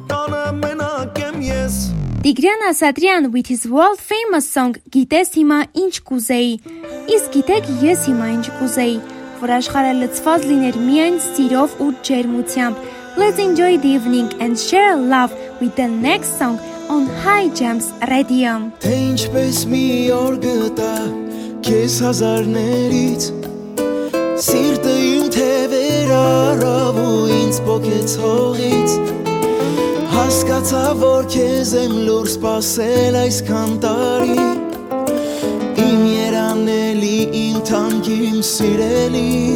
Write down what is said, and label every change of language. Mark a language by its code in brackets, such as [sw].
[hy] Սատրյան with his world famous song Գիտես հիմա ինչ կուզեի. Իսկ գիտեք ես հիմա ինչ կուզեի. որ աշխարհը լցված լիներ միայն սիրով ու ջերմությամբ. [en] Let's enjoy the evening and share love with the next song on High Jams Radio. [hy] Թե ինչպես մի օր գտա քեզ հազարներից, սիրտը իմ թե վերարավ ու ինձ պոկեց հողից, հասկացա, որ քեզ եմ լուր սպասել այսքան տարի, իմ երանելի, իմ թանկի, իմ սիրելի,